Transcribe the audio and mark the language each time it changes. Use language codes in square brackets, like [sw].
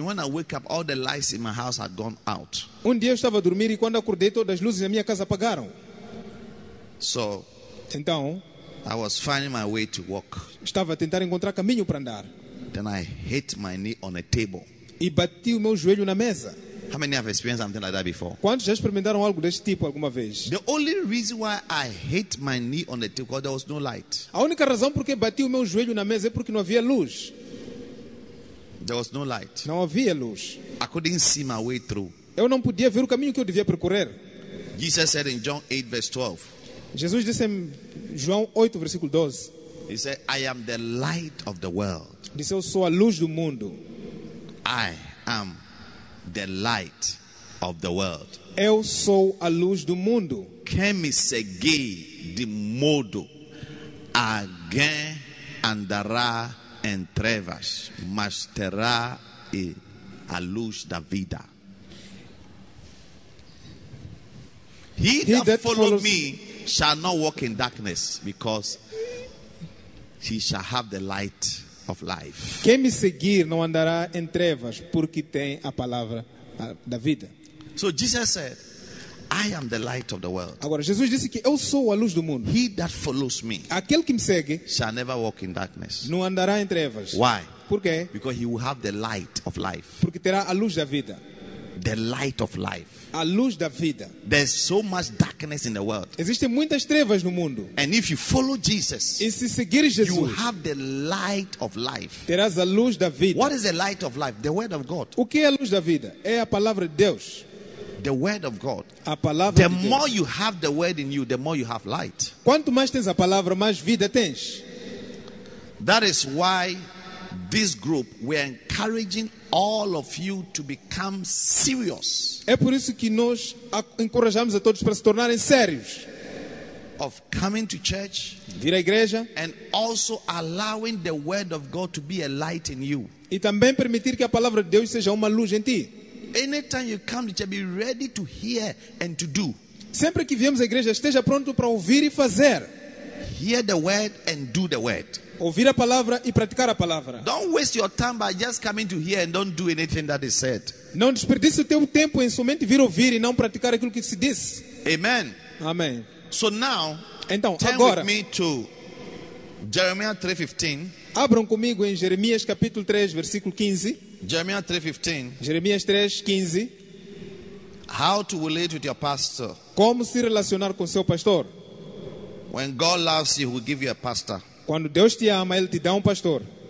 [en] When I woke up, all the lights in my house had gone out. [pt] Um dia eu estava a dormir e quando acordei todas as luzes da minha casa apagaram. [en] So. [pt] Então, [en] I was finding my way to walk. [pt] Estava a tentar encontrar caminho para andar. [en] Then I hit my knee on a table. [pt] E bati o meu joelho na mesa. [en] How many have experienced something like that before? [pt] Quantos já experimentaram algo deste tipo alguma vez? [en] The only reason why I hit my knee on the table, there was no light. [pt] A única razão porque bati o meu joelho na mesa é porque não havia luz. [en] There was no light. [pt] Não havia luz. [en] I couldn't see my way through. [pt] Eu não podia ver o caminho que eu devia percorrer. [en] Jesus said in John 8 verse 12. [pt] Jesus disse em João 8, versículo 12. [en] He said, I am the light of the world. [pt] Disse, eu sou a luz do mundo. [en] I am the light of the world. [pt] Eu sou a luz do mundo. Quem me segue de modo, alguém andará em trevas, mas terá a luz da vida. [en] He that follows me shall not walk in darkness, because he shall have the light of life. [pt] Quem me seguir não andará em trevas, porque tem a palavra da vida. [en] So Jesus said, I am the light of the world. [pt] Agora, Jesus disse que eu sou a luz do mundo. [en] He that follows me, [pt] aquele que me segue, [en] shall never walk in darkness. [pt] Não andará em trevas. [en] Why? [pt] Por quê? [en] Because he will have the light of life. [pt] Porque terá a luz da vida. [en] The light of life. [pt] A luz da vida. [en] There's so much darkness in the world. [pt] Existem muitas trevas no mundo. [en] And if you follow Jesus, [pt] e se seguir Jesus, [en] you have the light of life. [pt] Terás a luz da vida. [en] What is the light of life? The word of God. [pt] O que é a luz da vida? É a palavra de Deus. [en] The word of God. [pt] A palavra [en] the [pt] de Deus. [en] More you have the word in you, the more you have light. [pt] Quanto mais tens a palavra, mais vida tens. [en] That is why this group, we are encouraging all of you to become serious. [pt] É por isso que nós encorajamos a todos para se tornarem sérios. [en] Of coming to church, [pt] vir à igreja, [en] and also allowing the word of God to be a light in you. [pt] E também permitir que a palavra de Deus seja uma luz em ti. [en] Anytime you come to church, be ready to hear and to do. [pt] Sempre que viemos à igreja, esteja pronto para ouvir e fazer. [en] Hear the word and do the word. [pt] Ouvir a palavra e praticar a palavra. [en] Don't waste your time by just coming to hear and don't do anything that is said. [pt] Não desperdice o teu tempo em somente vir ouvir e não praticar aquilo que se diz. [en] Amen. [pt] Amém. [en] So now, [pt] então, [en] turn [pt] agora, [en] with me to Jeremiah 3:15. [pt] Abram comigo em Jeremias capítulo 3, versículo 15. [en] Jeremiah 3:15. [pt] Jeremias 3, 15. [en] How to relate with your pastor? [pt] Como se relacionar com seu pastor? [en] When God loves you, he will give you a pastor. [pt] Quando Deus te ama, ele te dá um pastor.